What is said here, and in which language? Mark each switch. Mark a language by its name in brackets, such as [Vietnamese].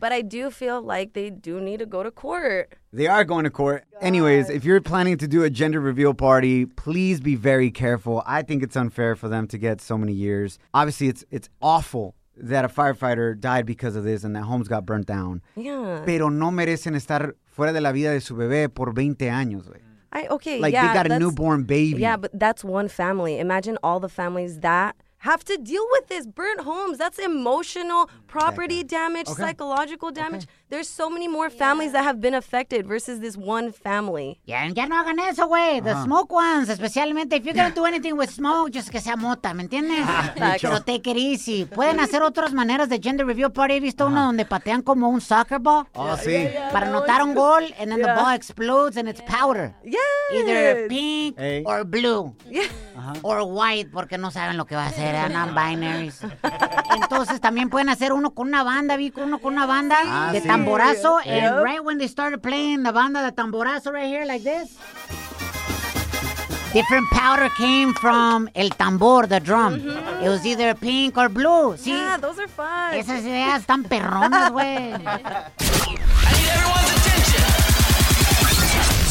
[English] But I do feel like they do need to go to court. They are going to court. God. Anyways, if you're planning to do a gender reveal party, please be very careful. I think it's unfair for them to get so many years. Obviously, it's awful that a firefighter died because of this and that homes got burnt down. Yeah. [Spanish] Pero no merecen estar fuera de la vida de su bebé por 20 años, güey. [English] Yeah, they got a newborn baby. Yeah, but that's one family. Imagine all the families that have to deal with this. Burnt homes. That's emotional property damage, okay, psychological damage. Okay. there's so many more families that have been affected versus this one family. Yeah, and [Spanish] ya no hagan eso, güey. [English] The smoke ones, [Spanish] especialmente. [English] If you're going to do anything with smoke, just [Spanish] que sea mota, ¿me entiendes? Pero [English] take it easy. [Spanish] Pueden hacer otras maneras de [English] gender review party. [Spanish] He visto uno donde patean como un [English] soccer ball. Oh, yeah, [Spanish] sí. Para anotar un gol, [English] and then the ball explodes, and it's powder. Yeah. Either pink or blue. Or white, [Spanish] porque no saben lo que va a hacer. [English] Non-binaries. [Spanish] Entonces, también pueden hacer uno con una banda, vi, uno con una banda de tamborazo. [English] Yeah. And right when they started playing the banda de tamborazo right here, like this. Different powder came from [Spanish] el tambor, [English] the drum. It was either pink or blue. See? Yeah, those are fun. [Spanish] Esas ideas están perronas, güey. [English] I need everyone's attention.